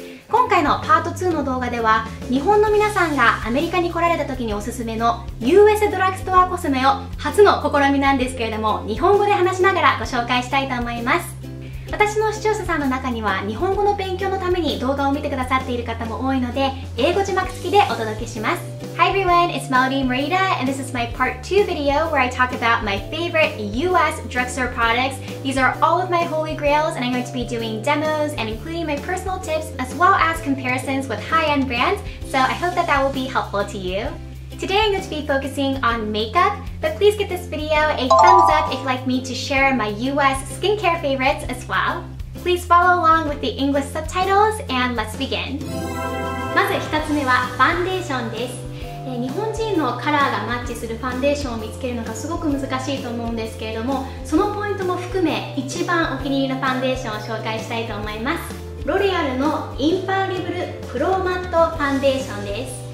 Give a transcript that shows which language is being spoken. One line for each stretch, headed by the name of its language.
Japanese: 今回のパート2の動画では日本の皆さんがアメリカに来られた時におすすめの US ドラッグストアコスメを初の試みなんですけれども日本語で話しながらご紹介したいと思います。私の視聴者さんの中には日本語の勉強のために動画を見てくださっている方も多いので英語字幕付きでお届けします。
English: Hi everyone, it's Melody Morita and this is my part 2 video where I talk about my favorite US drugstore products. These are all of my holy grails and I'm going to be doing demos and including my personal tips as well as comparisons with high-end brands. So I hope that that will be helpful to you. Today I'm going to be focusing on makeup. But please give this video a thumbs up if you'd like me to share my US skincare favorites as well. Please follow along with the English subtitles and let's begin.
Japanese: まず一つ目はファンデーションです。日本人のカラーがマッチするファンデーションを見つけるのがすごく難しいと思うんですけれども、そのポイントも含め一番お気に入りのファンデーションを紹介したいと思います。ロレアルのインパーリブルプロマットファンデーションです。